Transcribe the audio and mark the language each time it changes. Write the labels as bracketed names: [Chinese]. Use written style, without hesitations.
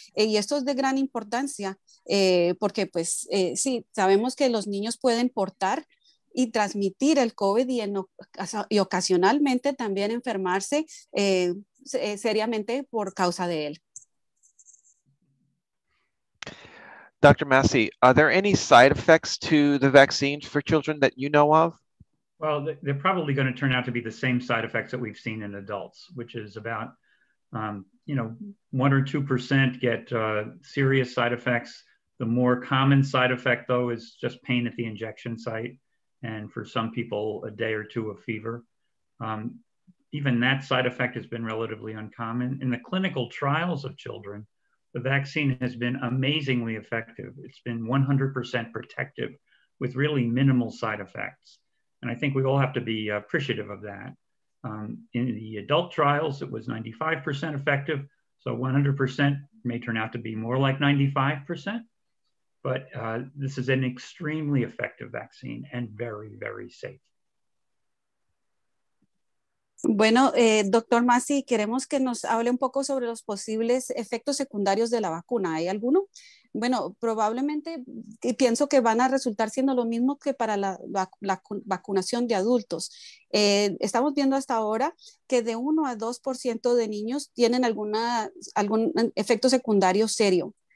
[Spanish] Y esto es de gran importancia porque sabemos que los niños pueden portar y transmitir el COVID y ocasionalmente también enfermarse seriamente por causa de él. [English] Dr. Massey, are there any side effects to the vaccine for children that you know of? Well, they're probably going to turn out to be the same side effects that we've seen in adults, which is about, 1 or 2% get serious side effects. The more common side effect, though, is just pain at the injection site, and for some people, a day or two of fever. Even that side effect has been relatively uncommon. In the clinical trials of children, the vaccine has been amazingly effective. It's been 100% protective with really minimal side effects. And I think we all have to be appreciative of that. In the adult trials, it was 95% effective. So 100% may turn out to be more like 95%. But this is an extremely effective vaccine and very, very safe. [Spanish] Bueno, doctor Massey, queremos que nos hable un poco sobre los posibles efectos secundarios de la vacuna. ¿Hay alguno? Bueno, probablemente y pienso que van a resultar siendo lo mismo que para la vacunación de adultos. Estamos viendo hasta ahora que de 1 a 2% de niños tienen algún efecto secundario serio.